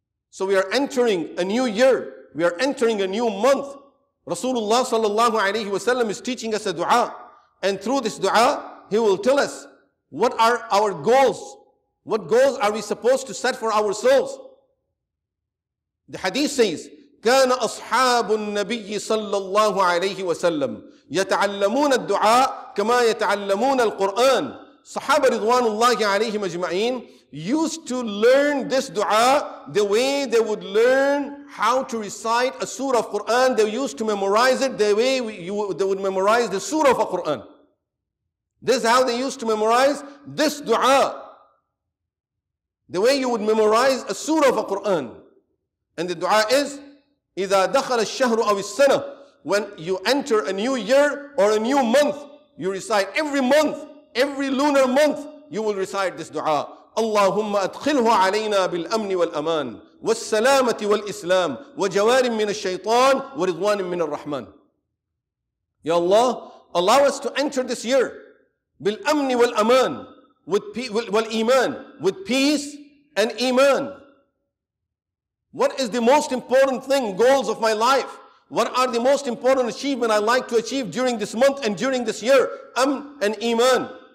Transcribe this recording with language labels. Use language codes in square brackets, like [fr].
[en] So we are entering a new year. We are entering a new month. Rasulullah sallallahu alayhi wa sallam is teaching us a dua. And through this dua, he will tell us what are our goals. What goals are we supposed to set for ourselves? The hadith says, [ar] كان أصحاب النبي صلى الله عليه وسلم يتعلمون الدعاء كما يتعلمون القرآن. صحابة رضوان الله عليهم أجمعين [en] used to learn this dua the way they would learn how to recite a surah of Quran. They used to memorize it the way they would memorize the surah of a Quran. This is how they used to memorize this dua. The way you would memorize a surah of a Quran. And the dua is, [ar] إِذَا دَخَلَ الشَّهْرُ أَوِ السَّنَةِ. [en] When you enter a new year or a new month, you recite every month, every lunar month, you will recite this dua. [ar] اللهم أدخله علينا بالأمن والأمان والسلامة والإسلام وجوار من الشيطان ورضوان من الرحمن. [en] Ya Allah, allow us to enter this year [ar] بالأمن والأمان والإيمان, [en] with peace and Iman. What is the most important thing, goals of my life? What are the most important achievement I like to achieve during this month and during this year? Amn and Iman.